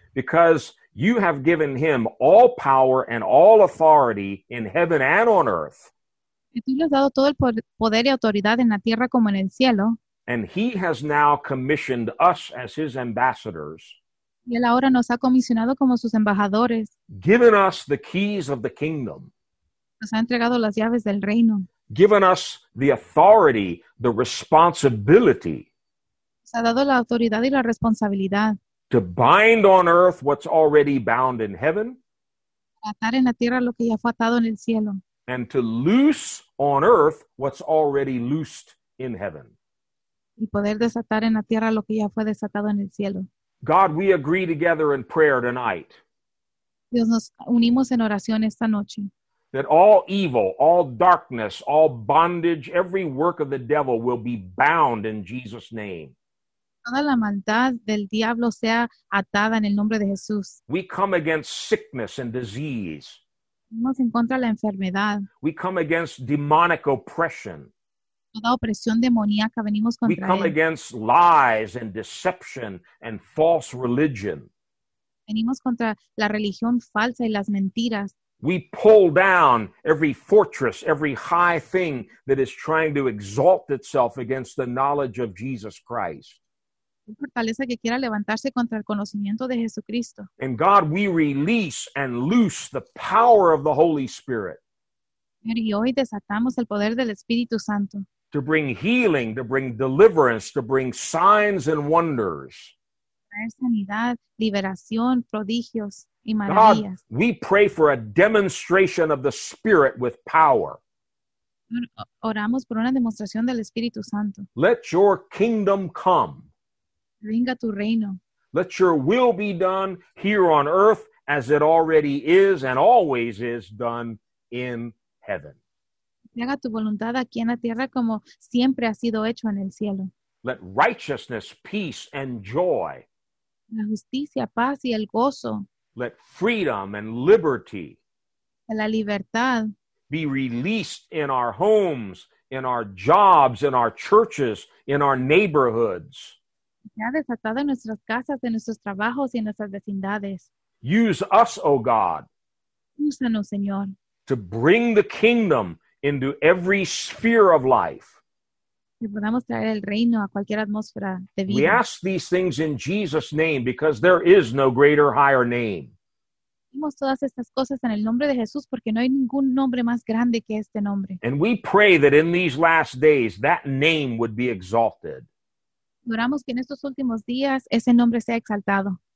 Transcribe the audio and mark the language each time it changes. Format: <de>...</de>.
<en>Because you have given him all power and all authority in heaven and on earth.</en> <es>Y tú le has dado todo el poder y autoridad en la tierra como en el cielo.</es> <en>And he has now commissioned us as his ambassadors.</en> <es>Y él ahora nos ha comisionado como sus embajadores.</es> <en>Given us the keys of the kingdom.</en> <es>Nos ha entregado las llaves del reino.</es> <en>Given us the authority, the responsibility.</en> <es>Nos ha dado la autoridad y la responsabilidad.</es> <en>To bind on earth what's already bound in heaven.</en> <es>Atar en la tierra lo que ya fue atado en el cielo.</es> <en>And to loose on earth what's already loosed in heaven.</en> <es>Y poder desatar en la tierra lo que ya fue desatado en el cielo.</es> <en>God, we agree together in prayer tonight.</en> <es>Dios, nos unimos en oración esta noche.</es> <en>That all evil, all darkness, all bondage, every work of the devil will be bound in Jesus' name.</en> <es>Toda la maldad del diablo sea atada en el nombre de Jesús.</es> <en>We come against sickness and disease.</en> <es>Vamos en contra de la enfermedad.</es> <en>We come against demonic oppression.</en> <es>toda opresión demoníaca, venimos contra él.</es> <en>We come against lies and deception and false religion.</en> <es>Venimos contra la religión falsa y las mentiras.</es> <en>We pull down every fortress, every high thing that is trying to exalt itself against the knowledge of Jesus Christ.</en> <es>Fortaleza que quiera levantarse contra el conocimiento de Jesucristo.</es> <en>And God, we release and loose the power of the Holy Spirit.</en> <es>Y hoy desatamos el poder del Espíritu Santo.</es> <en>To bring healing, to bring deliverance, to bring signs and wonders.</en> <es>Sanidad, liberación, prodigios y maravillas.</es> <en>God, we pray for a demonstration of the Spirit with power.</en> <es>Oramos por una demostración del Espíritu Santo.</es> <en>Let your kingdom come.</en> <es>Venga tu reino.</es> <en>Let your will be done here on earth as it already is and always is done in heaven.</en> <es>Haga tu voluntad aquí en la tierra como siempre ha sido hecho en el cielo.</es> <en>Let righteousness, peace, and joy.</en> <es>La justicia, paz y el gozo.</es> <en>Let freedom and liberty.</en> <es>La libertad.</es> <en>Be released in our homes, in our jobs, in our churches, in our neighborhoods.</en> <es>Ya desatado en nuestras casas, en nuestros trabajos y en nuestras vecindades.</es> <en>Use us, oh God.</en> <es>Úsanos, Señor.</es> <en>To bring the kingdom into every sphere of life.</en> <es>Que podamos traer el reino a cualquier atmósfera de vida.</es> <en>We ask these things in Jesus' name because there is no greater, higher name.</en> <es>Pedimos todas estas cosas en el nombre de Jesús porque no hay ningún nombre más grande que este nombre.</es> <en>And we pray that in these last days that name would be exalted.</en> <es>Oramos que en estos últimos días ese nombre sea exaltado.</es>